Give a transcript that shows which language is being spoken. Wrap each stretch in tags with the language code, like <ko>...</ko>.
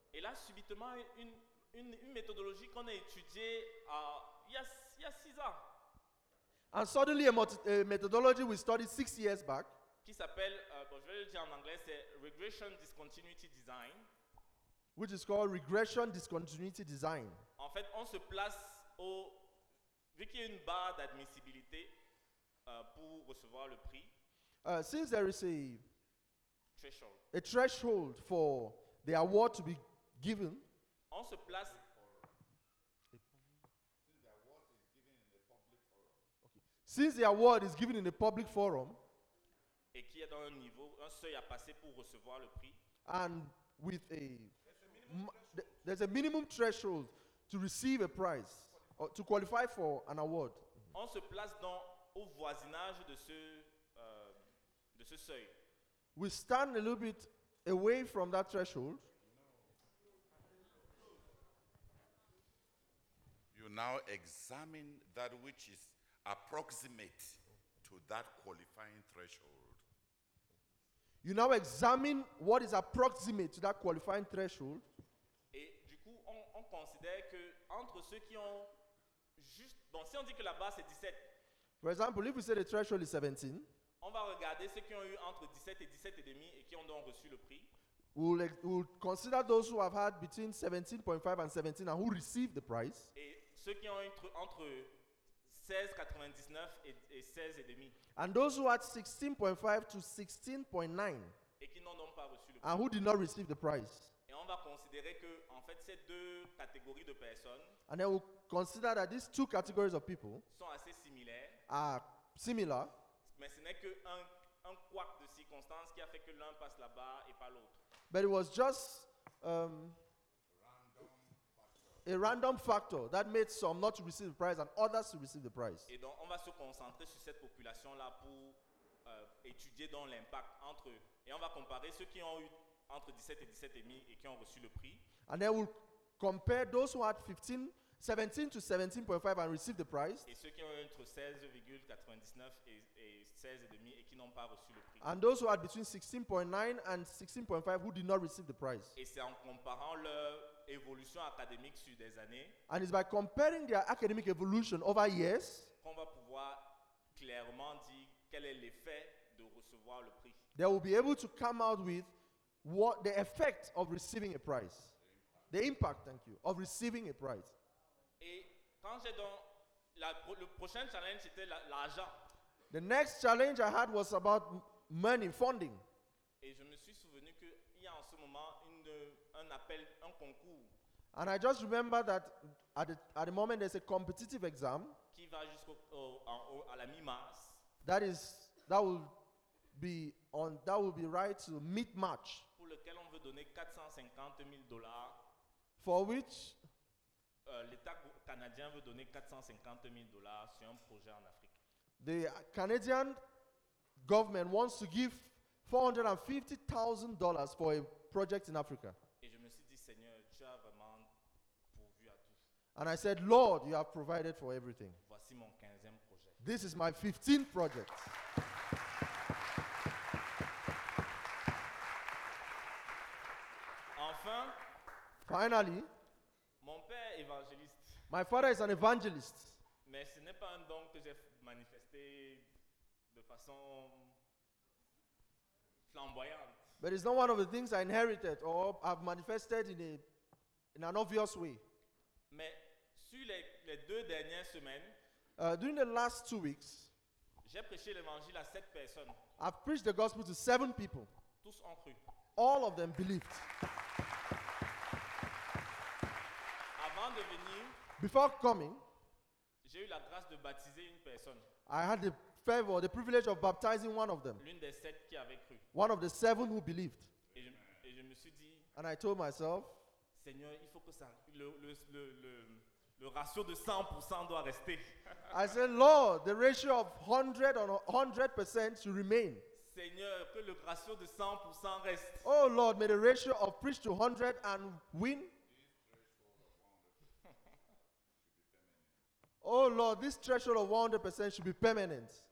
<fr>Et là subitement une méthodologie qu'on a étudiée il y a 6 ans.</fr> <en>And suddenly a methodology we studied 6 years back.</en> <fr>Qui s'appelle bon, je vais le dire en anglais c'est</fr> <en>regression discontinuity design. Which is called regression discontinuity design.</en> <fr>En fait, on se place au vu qu'il y a une barre d'admissibilité pour recevoir le prix.</fr> <en>Since there is a threshold. A threshold for the award to be given.</en> <fr>On se place.</fr> <en>Since the award is given in a public forum.</en> <fr>Et qu'il y a dans un niveau, un seuil à passer pour recevoir le prix.</fr> <en>And with a. There's a minimum threshold to receive a prize. To qualify for an award.</en> <fr>On se place dans au voisinage de ce seuil.</fr> <en>We stand a little bit away from that threshold. You now examine that which is approximate to that qualifying threshold. You now examine what is approximate to that qualifying threshold.</en> <fr>Et du coup, on considère que entre ceux qui ont juste, bon, si on dit que la barre c'est 17.</fr> <en>For example, if we say the threshold is 17.</en> <fr>On va regarder ceux qui ont eu entre 17 et 17 et demi et qui ont donc reçu le prix.</fr> <en>We'll consider those who have had between 17.5 and 17 and who received the prize.</en> <fr>Et ceux qui ont eu entre 16.99 et 16 et demi.</fr> <en>And those who had 16.5 to 16.9.</en> <fr>Et qui n'ont donc pas reçu le prix.</fr> <en>And who did not receive the prize.</en> <fr>Et on va considérer que, en fait, ces deux catégories de personnes.</fr> <en>And then we'll consider that these two categories of people</en> <fr>sont assez similaires.</fr> <en>Are similar.</en> <fr>Mais ce n'est qu'un couac de circonstances qui a fait que l'un passe la barre et pas l'autre.</fr> <en>But it was just a random factor that made some not to receive the prize and others to receive the prize.</en> <fr>Et donc, on va se concentrer sur cette population-là pour étudier donc l'impact entre eux. Et on va comparer ceux qui ont eu entre 17 et 17 et demi et qui ont reçu le prix.</fr> <en>And then we'll compare those who had 17 to 17.5 and received the prize.</en> <fr>Et ceux qui ont entre 16,99 et 16.5 et qui n'ont pas reçu le prix.</fr> <en>And those who had between 16.9 and 16.5 who did not receive the prize.</en> <fr>Et c'est en comparant leur évolution académique sur des années.</fr> <en>And it's by comparing their academic evolution over years.</en> <fr>Qu'on va pouvoir clairement dire quel est l'effet de recevoir le prix.</fr> <en>They will be able to come out with what the effect of receiving a prize. The impact, thank you, of receiving a prize.</en> <fr>Et quand j'ai donc le prochain challenge c'était l'argent.</fr> <en>The next challenge I had was about money, funding.</en> <fr>Et je me suis souvenu que il y a en ce moment un appel, un concours.</fr> <en>And I just remember that at the moment there's a competitive exam.</en> <fr>Qui va jusqu'au à la mi-mars.</fr> <en>That will be right to mid-March.</en> <fr>Pour lequel on veut donner 450,000 dollars.</fr> <en>For which</en> <fr>l'État canadien veut donner 450,000 dollars sur un projet en Afrique.</fr> <en>The Canadian government wants to give $450,000 for a project in Africa.</en> <fr>Et je me suis dit, Seigneur, tu as vraiment pourvu à tout.</fr> <en>And I said, Lord, you have provided for everything.</en> <fr>Voici mon 15e projet.</fr> <en>This is my 15th project.</en> <fr>Enfin,</fr> <en>finally,</en> <fr>mon père est évangéliste.</fr> <en>My father is an evangelist.</en> <fr>Mais ce n'est pas un don que j'ai manifesté de façon flamboyante.</fr> <en>But it's not one of the things I inherited or have manifested in an obvious way.</en> <fr>Mais sur les deux dernières semaines,</fr> <en>during the last 2 weeks,</en> <fr>j'ai prêché l'évangile à 7 personnes.</fr> <en>I've preached the gospel to 7 people.</en> <fr>Tous ont cru.</fr> <en>All of them believed.</en> <fr>Avant de venir,</fr> <en>before coming,</en> <fr>j'ai eu la grâce de baptiser une personne.</fr> <en>I had the favor, the privilege of baptizing one of them.</en> <fr>L'une des sept qui avait cru.</fr> <en>One of the 7 who believed.</en> <fr>Et je me suis dit,</fr> <en>and I told myself,</en> <fr>Seigneur, il faut que ça, le ratio de 100% doit rester.</fr> <en>I said, Lord, the ratio of 100% should remain.</en> <fr>Seigneur, que le ratio de 100% reste.</fr> <en>Oh Lord, may the ratio of preach to 100 and win. Oh Lord, this threshold of 100% should be permanent.</en>